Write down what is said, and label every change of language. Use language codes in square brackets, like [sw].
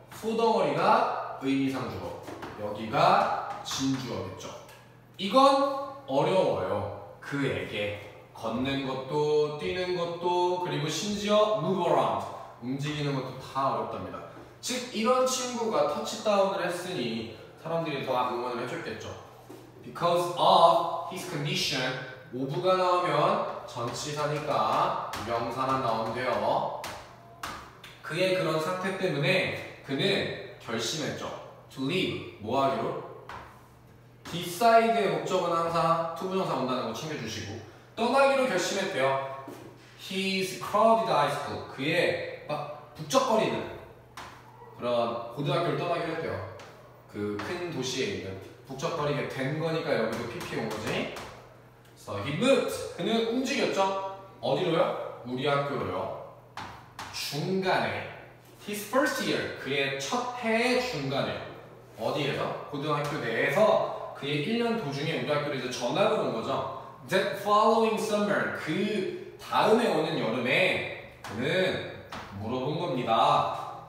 [ko] 소덩어리가 의미상 주어. 여기가 진주어겠죠. 이건 어려워요. 그에게 걷는 것도 뛰는 것도 그리고 심지어 [en] move around [ko] 움직이는 것도 다 어렵답니다. 즉 이런 친구가 터치다운을 했으니 사람들이 더 응원을 해줬겠죠. [en] Because of his condition. [ko] of가 나오면 전치사니까 명사만 나오면 돼요. 그의 그런 상태 때문에 그는 결심했죠. [en] To leave. [ko] 뭐하기로? decide의 목적은 항상 to 부정사 온다는 거 챙겨주시고 떠나기로 결심했대요. [en] His crowded high school. [ko] 그의 막 북적거리는 그런 고등학교를 떠나기로 했대요. 그 큰 도시에 있는 북적거리게 된 거니까 여기도 PP 온 거지. [en] So he moved. [ko] 그는 움직였죠. 어디로요? 우리 학교로요. 중간에 [en] His first year. [ko] 그의 첫 해의 중간에 어디에서? 고등학교 내에서 그의 1년 도중에 우리 학교로 이제 전학을 온 거죠. [en] That following summer. [ko] 그 다음에 오는 여름에 그는 물어본 겁니다.